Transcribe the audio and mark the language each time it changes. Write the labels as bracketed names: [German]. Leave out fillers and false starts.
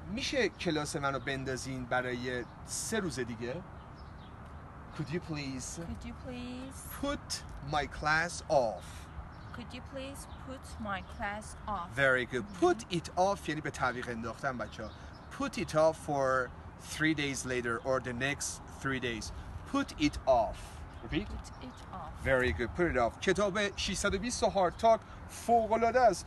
[Persian] میشه کلاس منو بندازین برای سه روز دیگه؟ [English] Could you please put my class off? Could you please put my class off? Very good. Put it off [Persian] یعنی به تعویق انداختن بچه ها. [English] Put it off for 3 days later or the next 3 days. Put it off. Repeat. Put it off. Very good. Put it off. [Persian] کتاب 620 هارد تاک فوق‌العاده است.